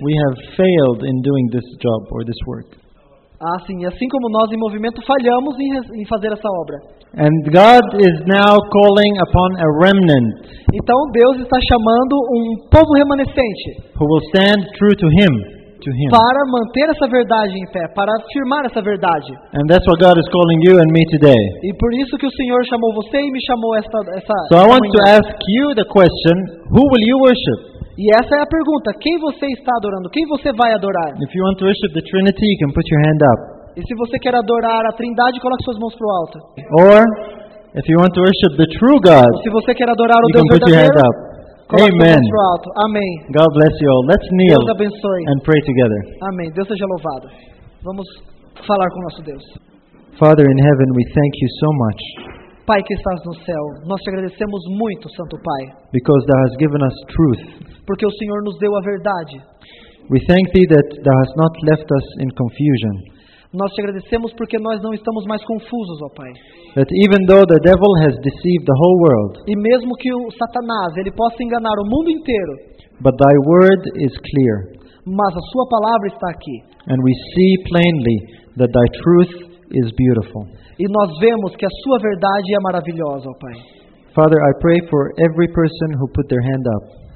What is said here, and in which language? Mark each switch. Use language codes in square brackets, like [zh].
[en] We have failed in doing this job or this work. [pt] Ah, sim, assim como nós em movimento falhamos em fazer essa obra. [en] And God is now calling upon a remnant. [pt] Então Deus está chamando um povo remanescente. [en] Who will stand true to him. [pt] Para manter essa verdade em pé, para afirmar essa verdade. [en] And that's what God is calling you and me today. [pt] E por isso que o Senhor chamou você e me chamou essa [en] So I want to ask you the question, who will you worship? [pt] E essa é a pergunta, quem você está adorando? Quem você vai adorar? [en] If you want to worship the Trinity, you can put your hand up. [pt] E se você quer adorar a Trindade, coloque suas mãos pro alto. [en] Or if you want to worship the true God, [pt] se você quer adorar o Deus verdadeiro, [en] put your hand up. Amen. Amém. God bless you all. Let's kneel. [pt] Deus abençoe. [en] And pray together. [pt] Amém. Deus seja louvado. Vamos falar com nosso Deus. [en] Father in heaven, we thank you so much. [pt] Pai que estás no céu, nós te agradecemos muito, Santo Pai. [en] Because thou hast given us truth. [pt] Porque o Senhor nos deu a verdade. [en] We thank thee that thou hast not left us in confusion. [pt] Nós te agradecemos porque nós não estamos mais confusos, ó Pai. [en] That even though the devil has deceived the whole world. [pt] E mesmo que o Satanás, ele possa enganar o mundo inteiro. [en] But thy word is clear. [pt] Mas a sua palavra está aqui. [en] And we see plainly that thy truth is beautiful. [pt] E nós vemos que a sua verdade é maravilhosa, ó Pai. [en] Father, I pray for every person who put their hand up.